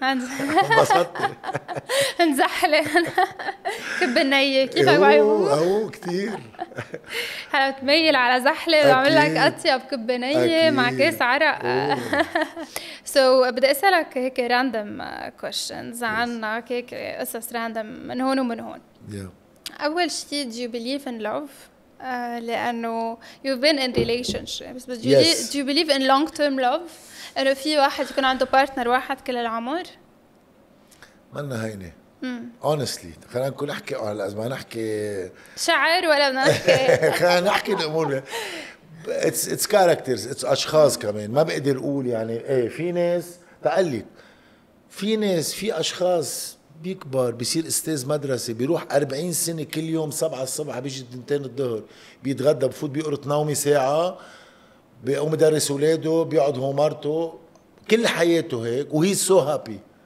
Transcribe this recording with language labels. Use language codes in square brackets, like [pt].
[ar] انبسطت انزحلي كب النية كيفك بعيبه؟ اهو كثير هلا بتميل على زحلة بعمل لك اطيب كب نية مع كاس عرق. سو بدي اسألك هيك راندم كويشنز عنك هيك قصص راندم من هون ومن هون. اول شيء [en] do you believe in love؟ [ar] لأنه [en] you've been in relationships but do you believe in long term love؟ [ar] إنه في واحد يكون عنده partner واحد كل العمر؟ ما لنا هيني honestly خلينا نكون نحكي على الأزمة نحكي شعر ولا نحكي خلينا نحكي الأمور [en] it's characters it's [ar] أشخاص كمان ما بقدر أقول يعني إيه في ناس تقلي في ناس في أشخاص بيكبر بيصير استاذ مدرسة بيروح 40 سنة كل يوم 7 الصبح بيجي 2 الظهر بيتغدى بفوت بيقرط نومي ساعة بيقوم يدرس ولاده بيقعد هو مرته كل حياته هيك وهي [en] So happy.